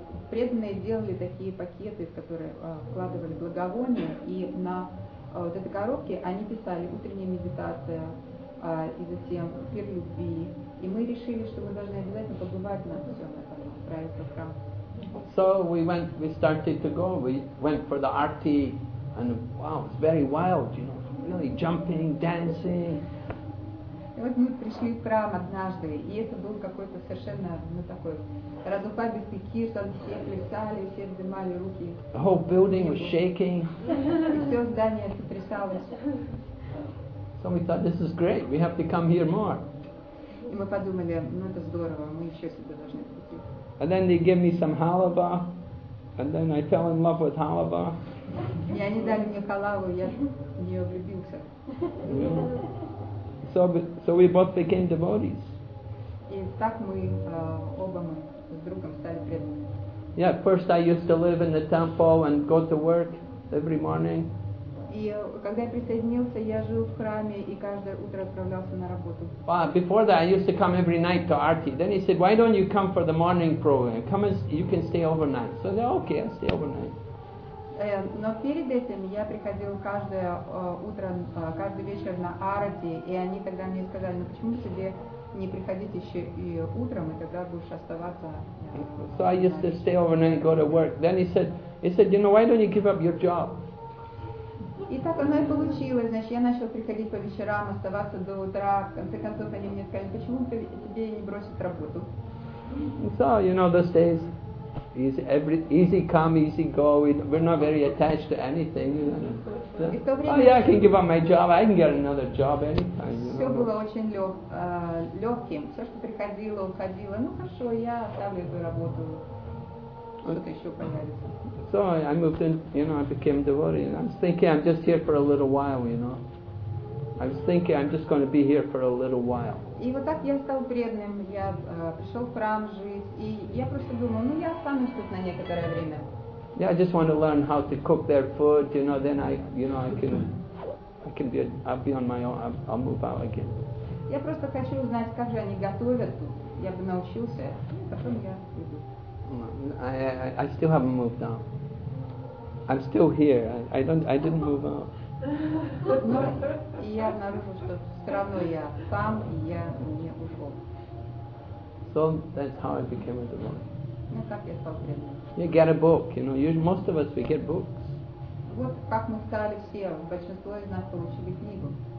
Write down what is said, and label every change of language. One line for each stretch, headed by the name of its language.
Russian: Преданные делали такие пакеты, в которые вкладывали благовония, и на вот этой коробке они писали утренняя медитация и затем пир любви. И мы решили, что мы должны обязательно побывать на всем этом проекте в храм.
English: So we went, we started to go, we went for the arti, and wow, it's very wild, you know, really jumping, dancing.
Russian: И вот мы пришли в храм однажды, и это был какой-то совершенно, ну, такой разухабистый киртан, все плясали, все вздымали руки.
English: The whole building was shaking.
Russian: И все здание сотрясалось.
English: So we thought, this is great, we have to come here more.
Russian: И мы подумали, ну это здорово, мы еще сюда должны прийти.
English: And then they give me some halava, and then I fell in love with halava.
Russian: И они дали мне халаву, я в нее влюбился.
English: So we both became devotees.
Russian: И так мы оба мы с другом стали преданными.
English: Yeah, first I used to live in the temple and go to work every morning.
Russian: И когда я присоединился, я жил в храме и каждое утро отправлялся на работу.
English: But before that, I used to come every night to arti. Then he said, "Why don't you come for the morning program? Come and you can stay overnight." So I said, "Okay, I'll stay overnight."
Russian: Но перед этим я приходил каждое утро, каждый вечер на арати, и они тогда мне сказали: "Ну почему тебе не приходить еще и утром, и тогда будешь оставаться?"
English: So I used to stay overnight, go to work. Then he said, "You know, why don't you give up your job?"
Russian: И так оно и получилось. Значит, я начал приходить по вечерам, оставаться до утра. В конце концов они мне сказали: "Почему тебе не бросить работу?"
English: So you know those days. Easy come, easy go. We're not very attached to anything, you know. So, oh yeah, I can give up my job. I can get another job anytime. You know?
Russian: Все было очень легким. Все, что приходило, уходило. Ну хорошо, я оставлю эту работу. Что-то еще появится.
English: So I moved in. You know, I became devotee. And I was thinking, I'm just here for a little while. You know, I was thinking, I'm just going to be here for a little while.
Russian: И вот так я стал преданным, я пришел в храм жить, и я просто думал, ну я останусь тут на некоторое время.
English: Yeah, I just want to learn how to cook their food, you know, then I'll move out again.
Russian: Я просто хочу узнать, как же они готовят тут, я бы научился, потом я уйду.
English: I still haven't moved on. I'm still here. I didn't move on.
Russian: Но я обнаружил, что все равно я сам, и я не ушел.
English: So that's how I became a devotee.
Russian: Ну как я стал преданным?
English: You get a book, you know. Usually most of us we get books.
Russian: Вот как мы стали все, большинство из нас получили книгу.